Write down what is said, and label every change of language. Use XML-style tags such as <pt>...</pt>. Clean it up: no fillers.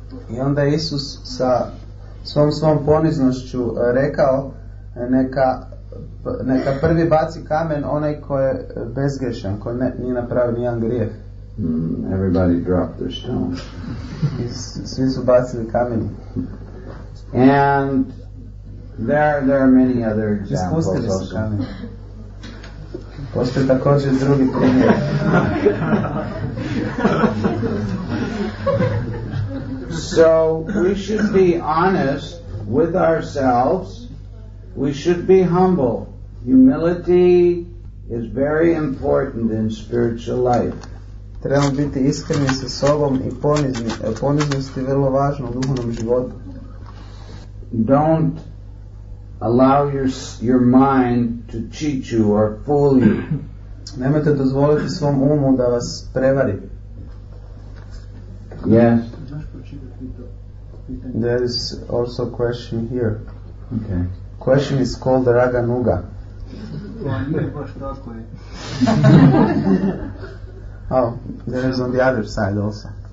<bs>I onda Isus sa svom poniznošću rekao, neka prvi baci kamen onaj ko je bezgrešan, ko nije napravio nijedan grijeh.</bs> <en>Everybody dropped their stone.</en> <bs>Svi su bacili kamen.</bs> <en>And there are many other examples.</en> <bs>Ispustili su kamen. Postoji također drugi primjer.</bs> <en>So we should be honest with ourselves. We should be humble. Humility is very important in spiritual life.</en> <bs>Trebamo biti iskreni sa sobom i ponizni. Poniznost je vrlo važna u duhovnom životu.</bs> <en>Don't allow your mind to cheat you or fool you.</en> <bs>Nemojte dozvoliti svom umu da vas prevari.</bs> <en>Yes. There is also a question here. Okay. Question is called Raga Nuga. Oh, there is on the other side also.</en>